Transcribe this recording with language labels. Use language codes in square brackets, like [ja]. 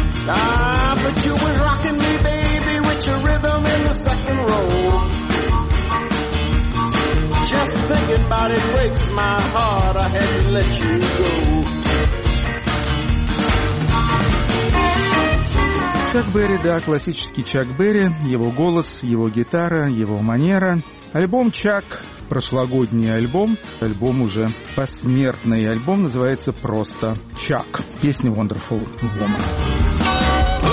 [en] Ah, but you was rocking me, baby, with your rhythm in the second row. Just thinking about it breaks my heart, I had to let you go. [ru] Чак Берри, да, классический Чак Берри, его голос, его гитара, его манера. Альбом «Чак», прошлогодний альбом, альбом уже посмертный, альбом называется просто «Чак». Песня «Wonderful Woman».